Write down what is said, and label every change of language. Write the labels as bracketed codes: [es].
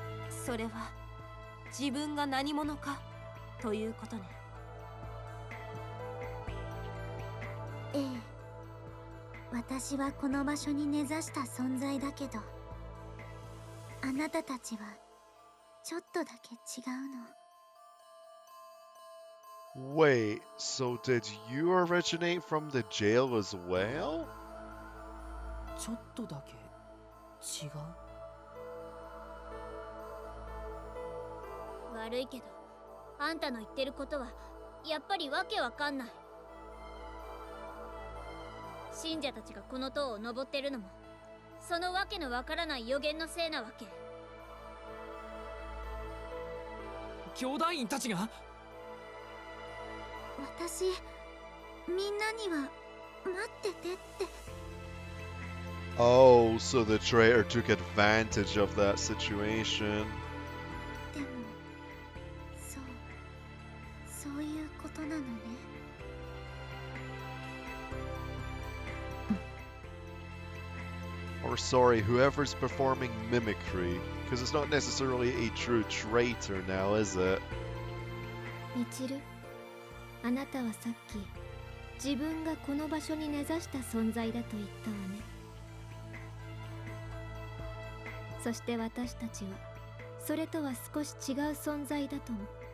[ja] それは自分が何者かということね。ええ、私はこの場所に根ざした存在だけど、あなたたちはちょっとだけ違うの。 [en] Wait, so did you originate from the jail as well? [ja] ちょっとだけ違う。悪いけど、あんたの言ってることはやっぱりわけわかんない。信者たちがこの塔を登ってるのも、そのわけのわからない予言のせいなわけ。教団員たちが？私、みんなには待っててって。 [en] Oh, so the traitor took advantage of that situation. [ja] でも、そう、そういうことなのね。 [en] Or sorry, whoever's performing mimicry, because it's not necessarily a true traitor now, is it? [ja] みちる。あなたはさっき自分がこの場所に根ざした存在だと言ったわね。そして私たちはそれとは少し違う存在だと思う。